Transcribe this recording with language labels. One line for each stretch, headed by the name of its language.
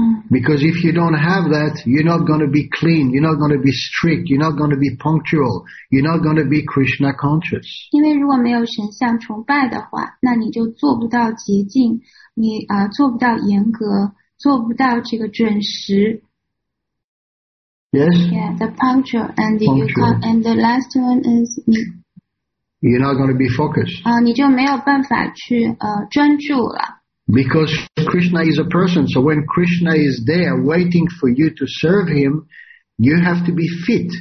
English: Because if you don't have that, you're not going to be clean, you're not going to be strict, you're not going to be punctual, you're not going to be Krishna conscious.
Chinese: 因为如果没有神像崇拜的话那你就做不到洁净你做不到严格做不到这个准时
English: Yes. Yeah, the puncture and the and the last one is You're not going to be focused.
Chinese: 你就没有办法去专注了。
English: Because Krishna is a person, so when Krishna is there waiting for you to serve him, you have to be fit.